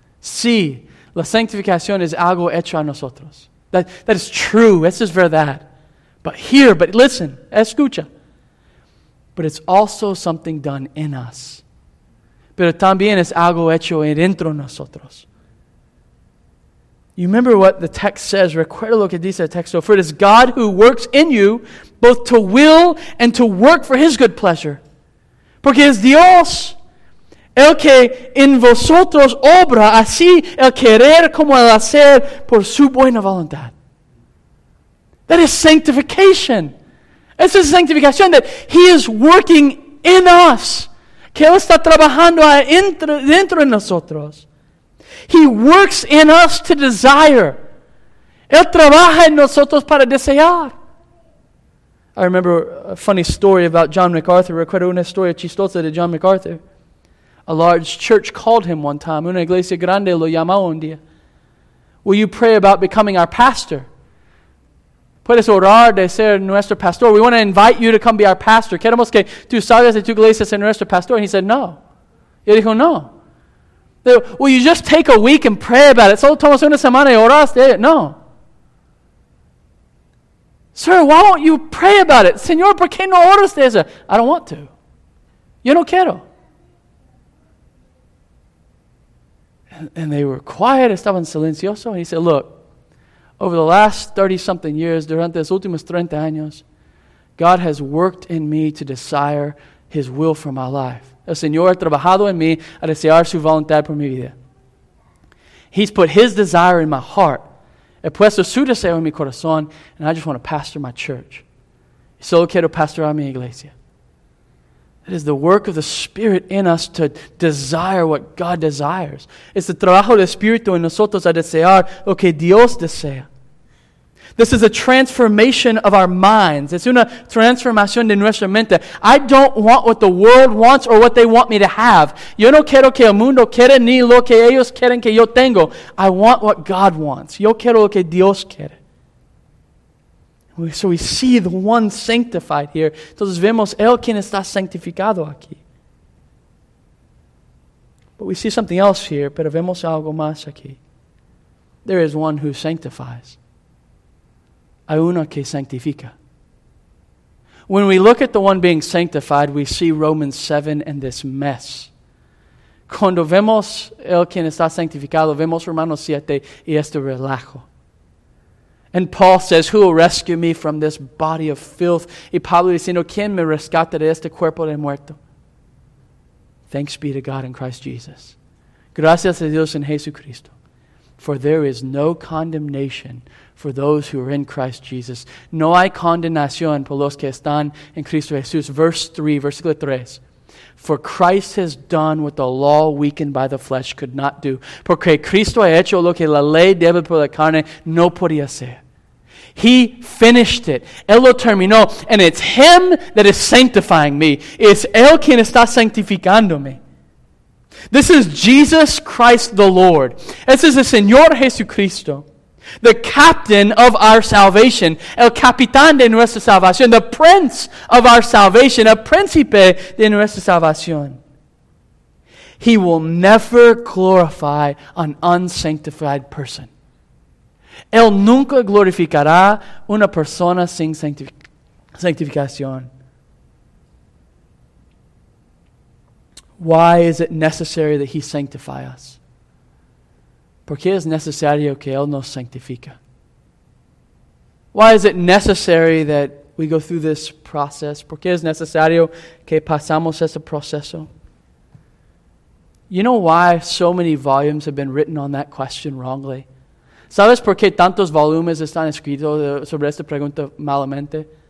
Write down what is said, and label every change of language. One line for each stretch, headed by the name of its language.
Spanish: Sí, la sanctificación es algo hecho a nosotros.
English: That is true.
Spanish: Eso es verdad.
English: But listen, escucha. But it's also something done in us.
Spanish: Pero también es algo hecho dentro de nosotros.
English: You remember what the text says.
Spanish: Recuerda lo que dice el texto.
English: For it is God who works in you both to will and to work for His good pleasure.
Spanish: Porque es Dios el que en vosotros obra así el querer como el hacer por su buena voluntad.
English: That is sanctification.
Spanish: Esa es sanctificación,
English: that He is working in us.
Spanish: Que Él está trabajando dentro de nosotros.
English: He works in us to desire.
Spanish: Él trabaja en nosotros para desear.
English: I remember a funny story about John MacArthur.
Spanish: Recuerdo una historia chistosa de John MacArthur.
English: A large church called him one time.
Spanish: Una iglesia grande lo llamó un día.
English: Will you pray about becoming our pastor?
Spanish: Puedes orar de ser nuestro pastor.
English: We want to invite you to come be our pastor.
Spanish: Queremos que tú salgas de tu iglesia ser nuestro pastor.
English: And he said, no.
Spanish: Y él dijo, no.
English: They said, will you just take a week and pray about it?
Spanish: Solo tomas una semana y oras de él. No.
English: Sir, why won't you pray about it?
Spanish: Señor, ¿por qué no oras de eso?
English: I don't want to.
Spanish: Yo no quiero.
English: And they were quiet.
Spanish: Estaban silenciosos.
English: He said, look. Over the last 30-something years,
Spanish: durante los últimos 30 años,
English: God has worked in me to desire His will for my life.
Spanish: El Señor ha trabajado en mí a desear su voluntad por mi vida.
English: He's put His desire in my heart.
Spanish: He puesto su deseo en mi corazón,
English: and I just want to pastor my church.
Spanish: Solo quiero pastorar mi iglesia.
English: It is the work of the Spirit in us to desire what God desires.
Spanish: Es el trabajo del Espíritu en nosotros a desear lo que Dios desea.
English: This is a transformation of our minds.
Spanish: Es una transformación de nuestra mente.
English: I don't want what the world wants or what they want me to have.
Spanish: Yo no quiero que el mundo quiera ni lo que ellos quieren que yo tengo.
English: I want what God wants.
Spanish: Yo quiero lo que Dios quiere.
English: So we see the one sanctified here.
Spanish: Entonces vemos el quien está sanctificado aquí.
English: But we see something else here,
Spanish: pero vemos algo más aquí.
English: There is one who sanctifies.
Spanish: Hay uno que sanctifica.
English: When we look at the one being sanctified, we see Romans 7 and this mess.
Spanish: Cuando vemos el quien está sanctificado, vemos Romanos 7 y este relajo.
English: And Paul says, who will rescue me from this body of filth?
Spanish: Y Pablo diciendo, ¿quién me rescata de este cuerpo de muerto?
English: Thanks be to God in Christ Jesus.
Spanish: Gracias a Dios en Jesucristo.
English: For there is no condemnation for those who are in Christ Jesus.
Spanish: No hay condenación por los que están en Cristo Jesús.
English: Verse 3,
Spanish: versículo 3.
English: For Christ has done what the law weakened by the flesh could not do.
Spanish: Porque Cristo ha hecho lo que la ley débil por la carne no podía hacer.
English: He finished it.
Spanish: Él lo terminó.
English: And it's Him that is sanctifying me.
Spanish: Es Él quien está sanctificándome.
English: This is Jesus Christ the Lord. This is the Señor Jesucristo, the captain of our salvation,
Spanish: el capitán de nuestra salvación,
English: the prince of our salvation,
Spanish: el príncipe de nuestra salvación.
English: He will never glorify an unsanctified person.
Spanish: Él nunca glorificará una persona sin sanctificación.
English: Why is it necessary that He sanctify us?
Spanish: ¿Por qué es necesario que Él nos sanctifica?
English: Why is it necessary that we go through this process?
Spanish: ¿Por qué es necesario que pasamos ese proceso?
English: You know why so many volumes have been written on that question wrongly?
Spanish: ¿Sabes por qué tantos volúmenes están escritos sobre esta pregunta malamente?